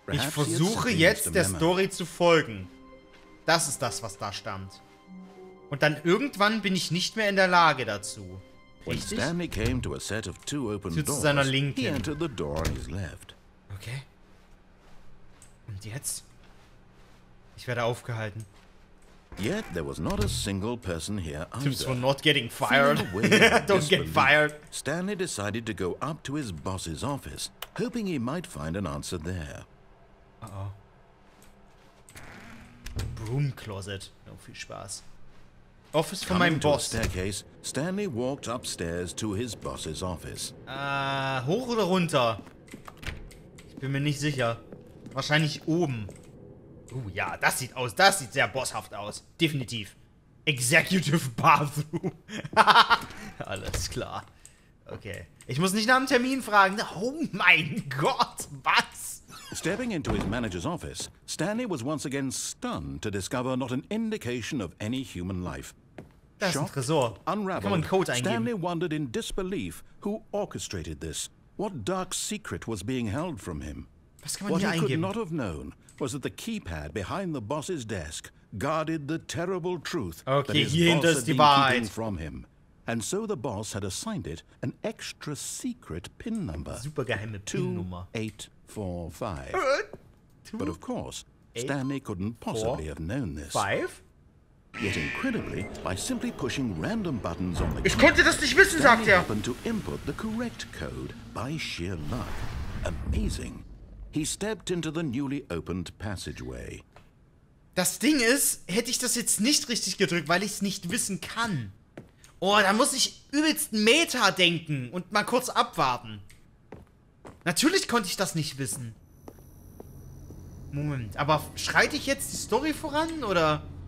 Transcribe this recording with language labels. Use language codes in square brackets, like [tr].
[de] Ich versuche jetzt der Story zu folgen. Das ist das, was da stand. Und dann irgendwann bin ich nicht mehr in der Lage dazu. Richtig? [en] Stanley came to a set of two open doors. [de] Zu seiner linken. [en] He entered the door on his left. [de] Okay. Und jetzt? Ich werde aufgehalten. [en] Yet there was not a single person here either. Tips for not getting fired. Don't get fired. Stanley decided to go up to his boss's office, hoping he might find an answer there. Uh-oh. Broom closet. [de] Oh, viel Spaß. [en] Office for my boss. Staircase, Stanley walked upstairs to his boss's office. [de] Hoch oder runter? Ich bin mir nicht sicher. Wahrscheinlich oben. Ja, das sieht aus. Das sieht sehr bosshaft aus. Definitiv. Executive Bathroom. Alles klar. Okay. Ich muss nicht nach einem Termin fragen. Oh mein Gott, was? [en] Stepping into his manager's office, Stanley was once again stunned to discover not an indication of any human life. [de] Das ist ein Tresor. [en] Unraveled, [de] kann man einen Code eingeben. [en] Stanley wondered in disbelief who orchestrated this. What dark secret was being held from him? [de] Was kann man hier eingeben? [en] What he could not have known was that the keypad behind the boss's desk guarded the terrible truth okay, that his boss had been keeping from him. And so the boss had assigned it an extra secret PIN number. [de] Super geheime PIN-Nummer. 2845. [en] But of course, Stanley couldn't possibly have known this. Five? Yet incredibly, by simply pushing random buttons on the keypad, [de] ich konnte das nicht wissen, [en] Stanley [de] sagt er. [en] Happened to input the correct code by sheer luck. Amazing. He stepped into the newly opened passageway. [de] Das Ding ist, hätte ich das jetzt nicht richtig gedrückt, weil ich es nicht wissen kann. Oh, da muss ich übelst Meta denken und mal kurz abwarten. Natürlich konnte ich das nicht wissen. Moment, aber schreite ich jetzt die Story voran oder?